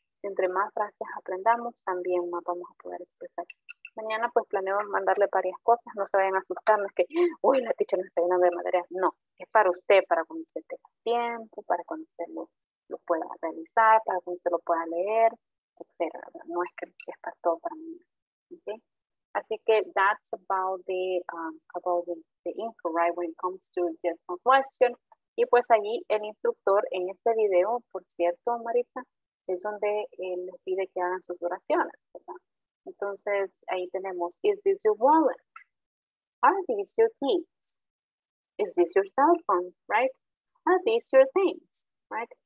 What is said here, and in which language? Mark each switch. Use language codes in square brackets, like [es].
[es] Entre más frases aprendamos, también más vamos a poder expresar. Mañana, pues, planeo mandarle varias cosas. No se vayan a asustar, no es que, uy, la teacher me está llenando de madera. No, es para usted, para cuando usted tenga tiempo, para cuando usted lo pueda realizar, para cuando usted lo pueda leer, etc. No es que es para todo para mí. [en] ¿Okay? Así que that's about the info, right, when it comes to yes no question. [es] Y pues allí el instructor en este video, por cierto, Marita, es donde él les pide que hagan sus oraciones, ¿verdad? [en] Entonces, ahí tenemos, is this your wallet? Are these your keys? Is this your cell phone, right? Are these your things, right?